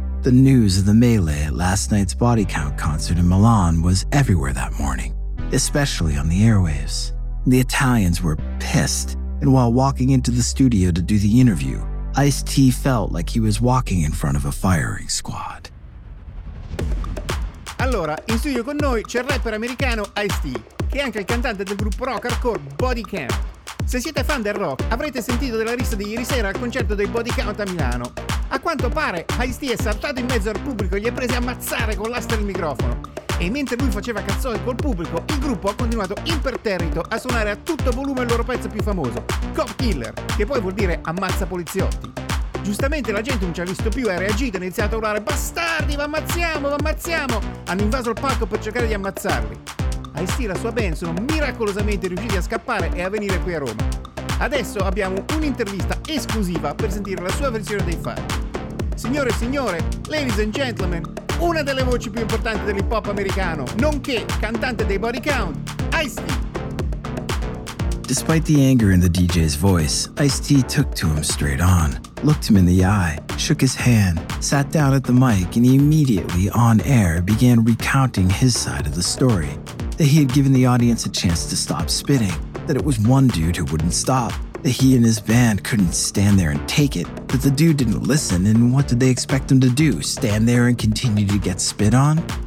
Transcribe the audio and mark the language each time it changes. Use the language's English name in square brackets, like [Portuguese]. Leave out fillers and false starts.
[English] The news of the melee at last night's Body Count concert in Milan was everywhere that morning, especially on the airwaves. The Italians were pissed, and while walking into the studio to do the interview, Ice-T felt like he was walking in front of a firing squad. [Italian] Allora, in studio con noi c'è il rapper americano Ice-T, che è anche il cantante del gruppo rock hardcore Body Count. Se siete fan del rock, avrete sentito della rissa di ieri sera al concerto dei Body Count a Milano. A quanto pare, Ice-T è saltato in mezzo al pubblico e gli ha presi a mazzare con l'asta del microfono. E mentre lui faceva cazzoni col pubblico, il gruppo ha continuato imperterrito a suonare a tutto volume il loro pezzo più famoso, Cop Killer, che poi vuol dire ammazza poliziotti. Giustamente la gente non ci ha visto più e ha reagito e ha iniziato a urlare «Bastardi, v'ammazziamo!» Hanno invaso il palco per cercare di ammazzarli. Ice-T e la sua band sono miracolosamente riusciti a scappare e a venire qui a Roma. Adesso abbiamo un'intervista esclusiva per sentire la sua versione dei fatti. Signore e signore, [English] ladies and gentlemen, [Italian] una delle voci più importanti dell'hip hop americano, nonché cantante dei Body Count, Ice-T. [English] Despite the anger in the DJ's voice, Ice-T took to him straight on, looked him in the eye, shook his hand, sat down at the mic, and he immediately, on air, began recounting his side of the story. That he had given the audience a chance to stop spitting, that it was one dude who wouldn't stop, that he and his band couldn't stand there and take it, that the dude didn't listen, and what did they expect him to do, stand there and continue to get spit on?